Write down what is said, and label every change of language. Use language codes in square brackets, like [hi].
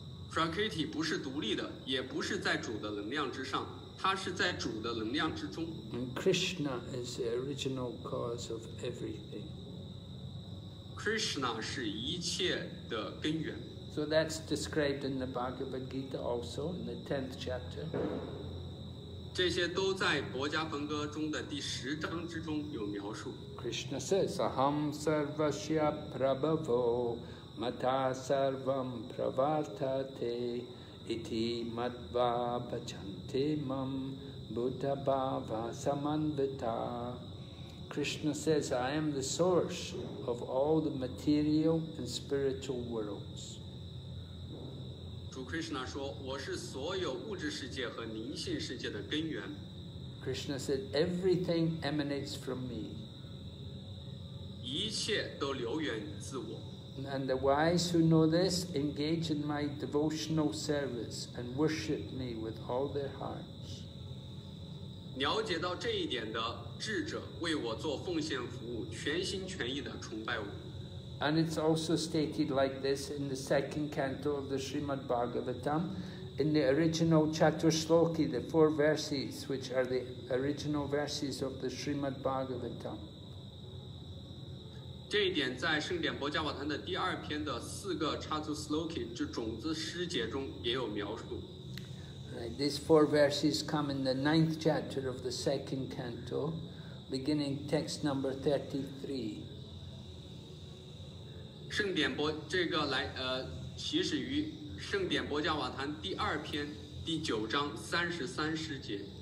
[zh] Prakriti 不是独立的，也不是在主的能量之上，它是在主的能量之中。 [en] And Krishna is the original cause of everything. [zh] Krishna 是一切的根源。 [en] So that's described in the Bhagavad Gita also in the 10th chapter. [zh] 这些都在《薄伽梵歌》中的第十章之中有描述。 [en] Krishna says, [sa] "Aham sarvasya prabhavo mata sarvam pravartate iti madva bhajante mam buddha bhava samanvita." [en] Krishna says, "I am the source of all the material and spiritual worlds." [zh] 主 Krishna 说，我是所有物质世界和灵性世界的根源。 [en] Krishna said, everything emanates from me. [zh] 一切都流源自我。 [en] And the wise who know this engage in my devotional service and worship me with all their hearts. [zh] 了解到这一点的智者为我做奉献服务，全心全意地崇拜我。 [en] And it's also stated like this in the second canto of the Srimad Bhagavatam, in the original Chaturshloki, the four verses, which are the original verses of the Srimad Bhagavatam. [zh] 这一点在圣典薄伽瓦坛的第二篇的四个 Chaturshloki 之种子诗节中也有描述。 [en] Right, these four verses come in the 9th chapter of the second canto, beginning text number 33. [zh] 圣典波这个来起始于圣典薄伽瓦坛第二篇第九章三十三诗节。